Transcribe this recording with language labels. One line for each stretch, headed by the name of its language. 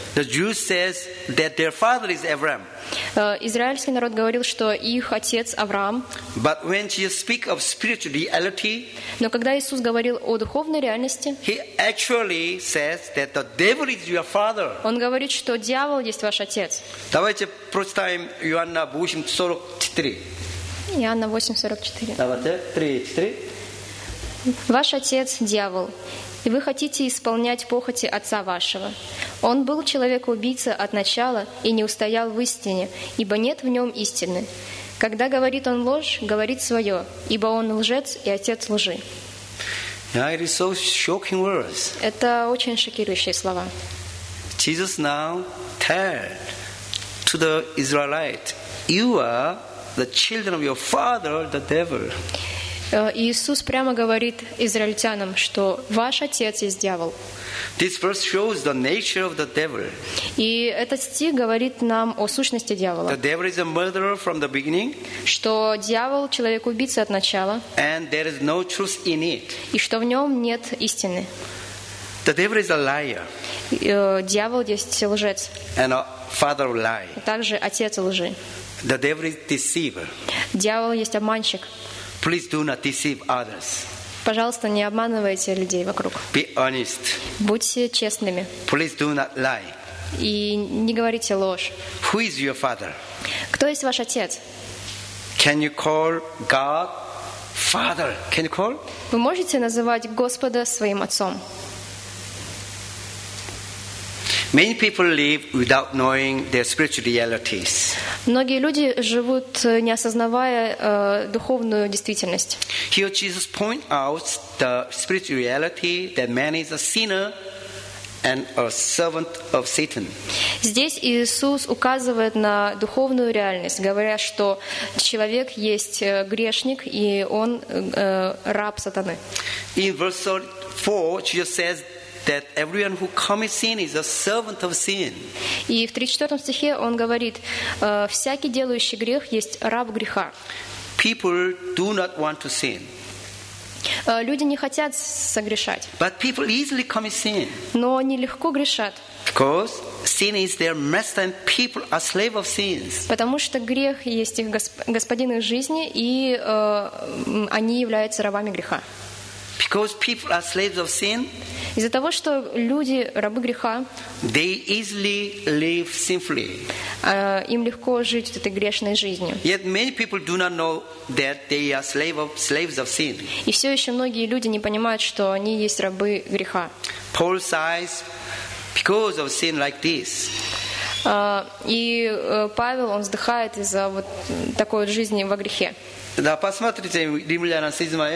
English: The Jews says that their father is Abraham.
Russian: Израильский народ говорил, что их отец Авраам.
English: But when you speak of spiritual reality,
Russian: но когда Иисус говорил о духовной реальности,
English: he actually says that the devil is your father.
Russian: Он говорит, что дьявол есть ваш отец. Давайте прочитаем Иоанна 8:44. Иоанна 8:44. Давайте 3:4. Ваш отец дьявол. И вы хотите исполнять похоти отца вашего. Он был человек-убийца от начала и не устоял в истине, ибо нет в нем истины. Когда говорит он ложь, говорит свое, ибо он лжец и отец лжи.
English: Yeah, it is so shocking words.
Russian: Это очень шокирующие слова.
English: Jesus now told to the Israelite, you are the children of your father, the devil.
Russian: Иисус прямо говорит израильтянам, что ваш отец есть дьявол.
English: This verse shows the nature of the devil.
Russian: И этот стих говорит нам о сущности дьявола.
English: The devil is a murderer from the beginning.
Russian: Что дьявол человек-убийца от начала.
English: And there is no truth in it.
Russian: И что в нем нет истины.
English: The devil is a liar.
Russian: Дьявол есть лжец.
English: And a father of lies.
Russian: Также отец лжи.
English: The devil is deceiver.
Russian: Дьявол есть обманщик.
English: Please do not deceive others.
Russian: Пожалуйста, не обманывайте людей вокруг.
English: Be honest.
Russian: Будьте честными.
English: Please do not lie.
Russian: И не говорите ложь.
English: Who is your father?
Russian: Кто есть ваш отец?
English: Can you call God father? Can you call?
Russian: Вы можете называть Господа своим отцом?
English: Many people live without knowing their spiritual realities.
Russian: Многие люди живут, не осознавая духовную действительность.
English: Here Jesus points out the spiritual reality that man is a sinner and a servant of Satan.
Russian: Здесь Иисус указывает на духовную реальность, говоря, что человек есть грешник и он раб сатаны.
English: In verse 4, Jesus says that everyone who commits sin is a servant of sin.
Russian: И в 34 стихе он говорит, всякий делающий грех есть раб греха.
English: People do not want to sin.
Russian: Люди не хотят согрешать.
English: But people easily commit sin.
Russian: Но они легко грешат.
English: Because sin is their master and people are slaves of sins.
Russian: Потому что грех есть их господин их жизни и они являются рабами греха.
English: Because people are slaves of sin,
Russian: из-за того, что люди рабы греха,
English: they easily live sinfully.
Russian: Им легко жить вот этой грешной жизнью.
English: Yet many people do not know that they are slaves of sin.
Russian: И все еще многие люди не понимают, что они есть рабы греха.
English: Paul says, because of sin like this.
Russian: И Павел он вздыхает из-за вот такой вот жизни во грехе. Да, посмотрите, Римлянам 7